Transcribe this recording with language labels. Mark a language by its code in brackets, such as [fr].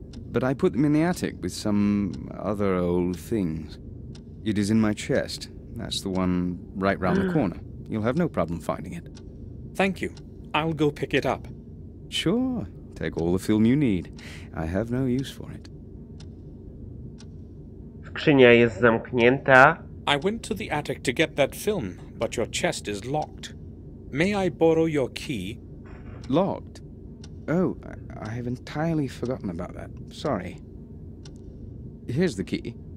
[en] But I put them in the attic with some other old things. It is in my chest. That's the one right round the corner. You'll have no problem finding it. Thank you. I'll go pick it up. Sure. Take all the film you need. I have no use for it. [pl] Skrzynia jest zamknięta. [en] I went to the attic to get that film, but your chest is locked. May I borrow your key? Locked? Oh, I have entirely forgotten about that. Sorry. Here's the key.